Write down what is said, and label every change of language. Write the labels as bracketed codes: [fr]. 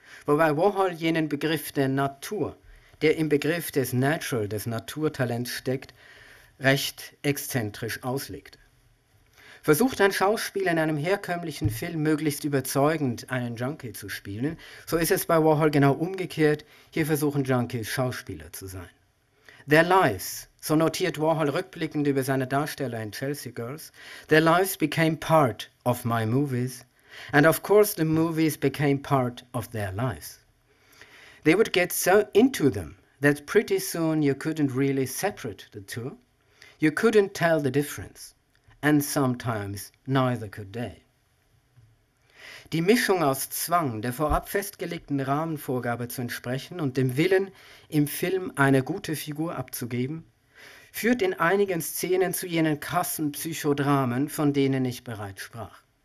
[de] Wobei Warhol jenen Begriff der Natur, der im Begriff des Natural, des Naturtalents steckt, recht exzentrisch auslegt. Versucht ein Schauspieler in einem herkömmlichen Film möglichst überzeugend einen Junkie zu spielen, so ist es bei Warhol genau umgekehrt, hier versuchen Junkies Schauspieler zu sein. [en] Their lives, [de] so notiert Warhol rückblickend über seine Darsteller in Chelsea Girls, [en] their lives became part of my movies, and of course the movies became part of their lives. They would get so into them that pretty soon you couldn't really separate the two. You couldn't tell the difference. and sometimes neither could they. [de] Die Mischung aus Zwang, der vorab festgelegten Rahmenvorgabe zu entsprechen und dem Willen, im Film eine gute Figur abzugeben, führt in einigen Szenen zu jenen krassen Psychodramen, von denen ich bereits sprach.